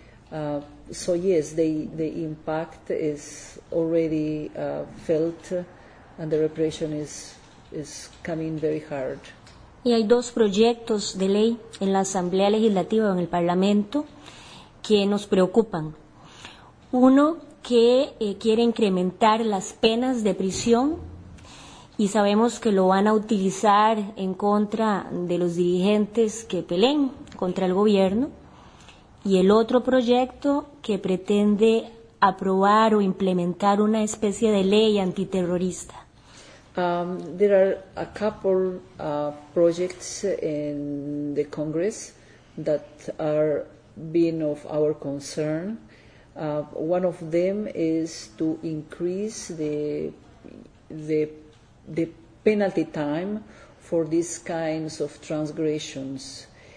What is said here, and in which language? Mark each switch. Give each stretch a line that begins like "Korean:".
English: So yes, the impact is already felt, and the repression is coming very hard.
Spanish: Y hay dos proyectos de ley en la Asamblea Legislativa o en el Parlamento que nos preocupan. Uno que quiere incrementar las penas de prisión. Y sabemos que lo van a utilizar en contra de los dirigentes que peleen contra el gobierno. Y el otro proyecto que pretende aprobar o implementar una especie de ley antiterrorista.
English: There are a couple projects in the Congress that are being of our concern. One of them is to increase the penalty time for these kinds of transgressions.